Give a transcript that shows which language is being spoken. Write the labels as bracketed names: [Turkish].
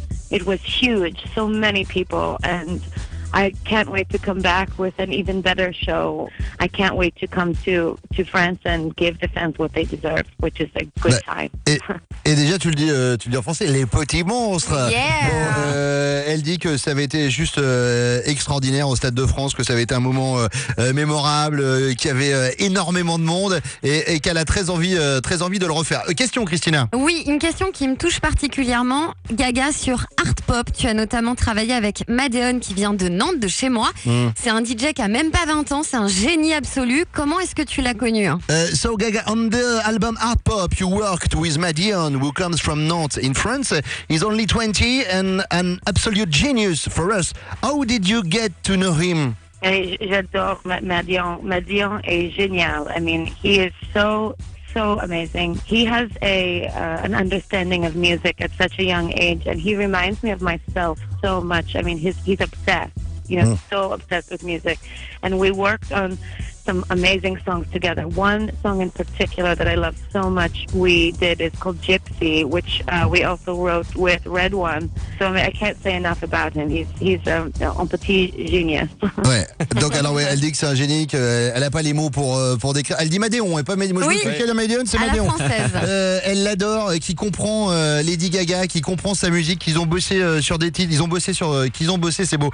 [English] It was huge, so many people. And I can't wait to come back with an even better show. I can't wait to come to France and give the fans what they deserve, which is a good time. [French] Et déjà, tu le dis en français, les petits monstres. Yeah. Bon, elle dit que ça avait été juste extraordinaire au Stade de France, que ça avait été un moment mémorable, qu'il y avait énormément de monde et qu'elle a très envie de le refaire. Question, Christina. Oui, une question qui me touche particulièrement. Gaga, sur Art Pop, tu as notamment travaillé avec Madeon qui vient de Nantes, de chez moi. Mm. C'est un DJ qui a même pas 20 ans, c'est un génie absolu. Comment est-ce que tu l'as connu? [English] So Gaga, on the album Art Pop, you worked with Madeon, who comes from Nantes in France. He's only 20 and an absolute genius for us. How did you get to know him? [French] J'adore Madeon. Madeon est génial. [English] I mean, he is so, so amazing. He has an understanding of music at such a young age, and he reminds me of myself so much. I mean, he's obsessed. You know, so obsessed with music. And we worked on some amazing songs together. One song in particular that I love so much we did is called Gypsy, which we also wrote with Red One. So I can't say enough about him. He's [French] un petit [English] genius. [French] Ouais. Donc alors ouais, elle dit que c'est un génie, qu'elle a pas les mots pour décrire. Elle dit Madeon, et pas Madeon. Oui. Je me Madeon, c'est à Madeon. La française. Elle l'adore, qui comprend Lady Gaga, qui comprend sa musique, qu'ils ont bossé sur des titres, qu'ils ont bossé, c'est beau.